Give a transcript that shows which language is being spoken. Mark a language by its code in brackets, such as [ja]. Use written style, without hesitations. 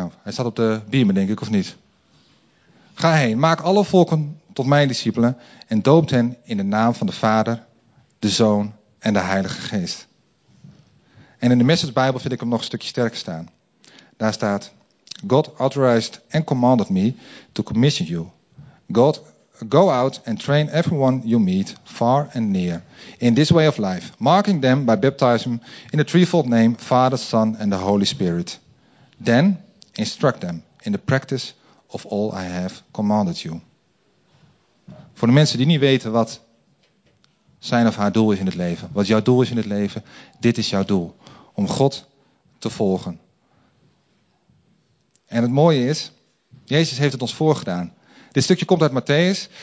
[nl] Hij staat op de biemen, denk ik, of niet? Ga heen, maak alle volken tot mijn discipelen en doop hen in de naam van de Vader, de Zoon en de Heilige Geest. En in de Message Bijbel vind ik hem nog een stukje sterker staan. Daar staat, [en] God authorized and commanded me to commission you. God, go out and train everyone you meet, far and near, in this way of life, marking them by baptism in the threefold name, Father, Son and the Holy Spirit. Then, instruct them in the practice of all I have commanded you. [nl] Voor de mensen die niet weten wat zijn of haar doel is in het leven, wat jouw doel is in het leven, dit is jouw doel. Om God te volgen. En het mooie is, Jezus heeft het ons voorgedaan. Dit stukje komt uit Matthäus.